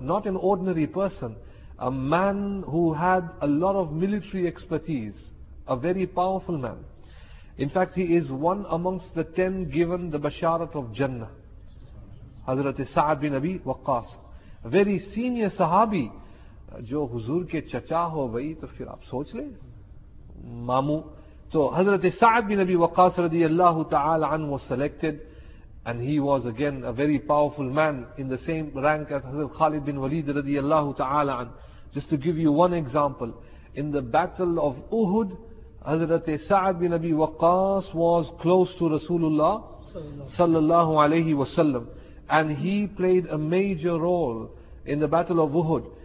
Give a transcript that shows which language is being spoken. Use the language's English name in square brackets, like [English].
[English] Not an ordinary person. A man who had a lot of military expertise. A very powerful man. In fact, he is one amongst the 10 given the Basharat of Jannah. Hazrat Sa'd bin Abi Waqqas. A very senior sahabi. [Urdu] جو حضور کے چچا ہو بھائی، تو پھر آپ سوچ لے۔ Mamu. [English] So Hazrat Sa'd bin Abi Waqqas radiyallahu ta'ala an was selected, and he was again a very powerful man in the same rank as Hazrat Khalid bin Walid radiyallahu ta'ala an. Just to give you one example, in the battle of Uhud, Hazrat Sa'd bin Abi Waqqas was close to Rasulullah sallallahu alayhi wasallam, and he played a major role in the battle of Uhud.